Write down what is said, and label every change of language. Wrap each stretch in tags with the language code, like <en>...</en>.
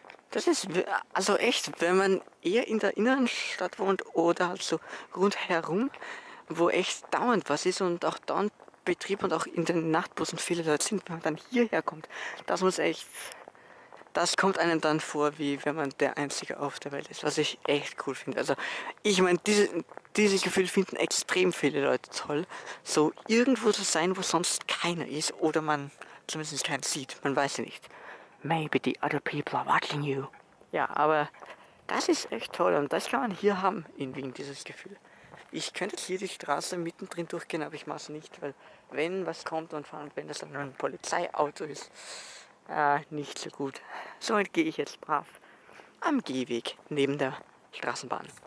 <de>Das ist also echt, wenn man eher in der inneren Stadt wohnt oder halt so rundherum, wo echt dauernd was ist und auch dauernd Betrieb und auch in den Nachtbussen viele Leute sind, wenn man dann hierher kommt, das muss echt, das kommt einem dann vor, wie wenn man der Einzige auf der Welt ist, was ich echt cool finde. Also ich meine, dieses Gefühl finden extrem viele Leute toll, so irgendwo zu sein, wo sonst keiner ist oder man zumindest keinen sieht, man weiß ja nicht.</de> <en>Maybe the other people are watching you.</en> <de>Ja, aber das ist echt toll und das kann man hier haben in Wien, dieses Gefühl. Ich könnte jetzt hier die Straße mittendrin durchgehen, aber ich mache es nicht, weil wenn was kommt und fahren, wenn das dann ein Polizeiauto ist, nicht so gut. Somit gehe ich jetzt brav am Gehweg neben der Straßenbahn.</de>